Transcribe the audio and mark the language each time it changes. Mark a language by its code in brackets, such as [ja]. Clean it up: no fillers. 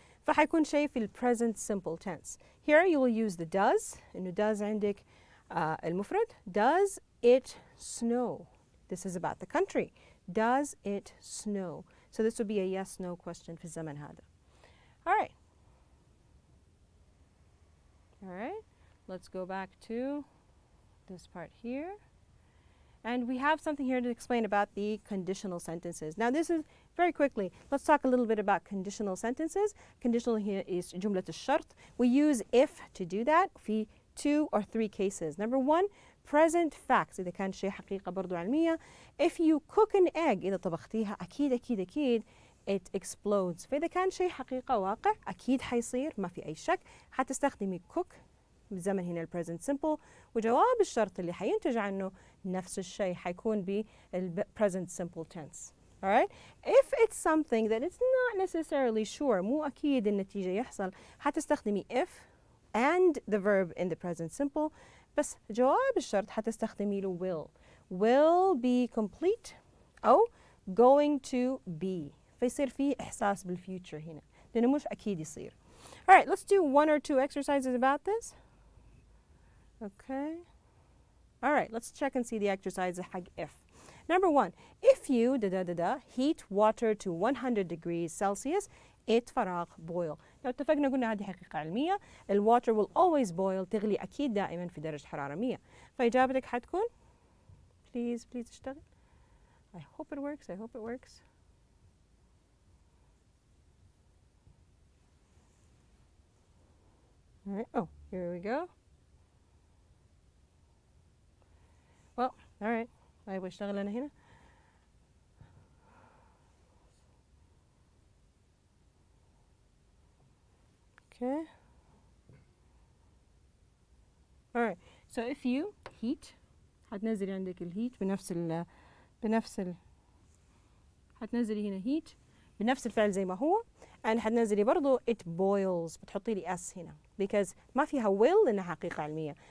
[ar] فحيكون شيء في [en] present simple tense. Here you will use the does. [ar] إنه does عندك المفرد. [en] Does it snow? This is about the country. Does it snow? So this would be a yes, no question [ar] في الزمن هذا. [en] All right. Let's go back to this part here. And we have something here to explain about the conditional sentences. Now this is very quickly, let's talk a little bit about conditional sentences. Conditional here is [ar] جملة الشرط. [en] We use if to do that في two or three cases. Number one, present facts. [ar] إذا كان شيء حقيقة برضو علمية. [en] If you cook an egg, [ar] إذا طبختيها أكيد أكيد أكيد, [en] it explodes. [ar] فإذا كان شيء حقيقة واقع, أكيد حيصير, ما في أي شك. حتستخدمي cook بزمن هنا الـ present simple. وجواب الشرط اللي حينتج عنه نفس الشيء حيكون بالـ [en] present simple tense. All right. If it's something that it's not necessarily sure, [ar] مو أكيد النتيجة يحصل, [en] حتستخدمي if and the verb in the present simple. [ar] بس جواب الشرط حتستخدمي له will. [en] Will be complete أو going to be. [ar] فيصير فيه إحساس بالfuture هنا. لأنه مش أكيد يصير. [en] All right. Let's do one or two exercises about this. Okay. All right. Let's check and see the exercises حق if. Number one, if you da da da da heat water to 100 degrees Celsius, it فراغ boil. [ar] لو اتفقنا قلنا هذه حقيقة علمية. [en] The water will always boil. [ar] تغلي أكيد دائما في درجة حرارة 100. فإجابتك حتكون please اشتغل. [en] I hope it works. Alright. Oh, here we go. Well, alright. [ar] طيب واشتغل انا هنا. [en] Okay. All right. So if you heat, [ar] حتنزلي عندك الهيت بنفس ال حتنزلي هنا heat بنفس الفعل زي ما هو. [en] And [ar] حتنزلي برضو [en] it boils. [ar] بتحطي لي S هنا. Because ما فيها will إنها حقيقة علمية.